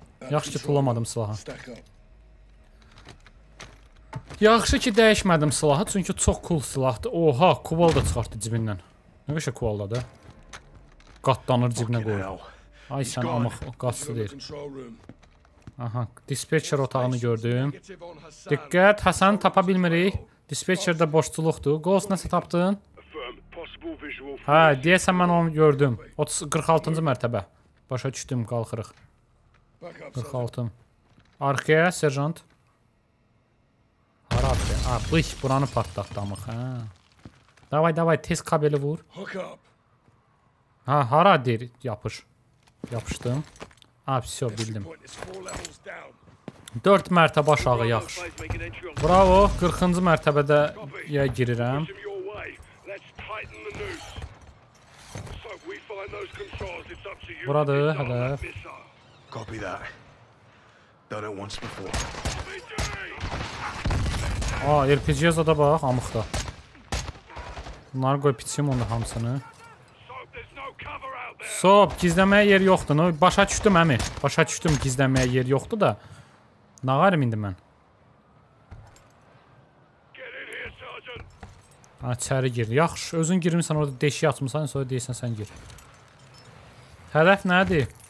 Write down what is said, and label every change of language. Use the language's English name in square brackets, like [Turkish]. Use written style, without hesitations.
[Azerbaijani] Yaxşı ki, pulamadım silahı. Yaxşı ki dəyişmədim silahı, çünki çox cool silahdır. Oha, kuvalda çıxartdı cibindən. Nə qəşə kuvaldadır? Qatlanır cibinə qoyur. Ay sən amıq, o qatlı deyir. Aha, dispatcher otağını gördüm. Diqqət, Həsəni tapa bilmirik. Dispatcherdə boşçuluqdur. Ghost nəsə tapdın? Hə, deyəsən mən onu gördüm. 46-cı mərtəbə. Başa düşdüm, qalxırıq. 46. Arxaya, serjant. Bıç, buranı partlatdı amıq, hə. Davay, tez kabeli vur. Ha, hara deyir, yapış. Yapışdım. Ha, bildim. 4 mərtəbə aşağı yaxşı. Bravo, 40-cı mərtəbədə ya girirəm. Buradır hədəf. [English] Copy that. Done it once before. [Azerbaijani] Aa, RPG-yə zada bax, amıqda. Bunları qoy piçim onu hamısını. Sop, gizləməyə yer yoxdur. No, başa düşdüm əmi. Başa düşdüm, gizləməyə yer yoxdur da. Nağarım indi mən. İçəri gir. Yaxşı, özün girmirsən orada deşiyə atmırsan, sonra deyirsən sən gir. Hədəf nədir?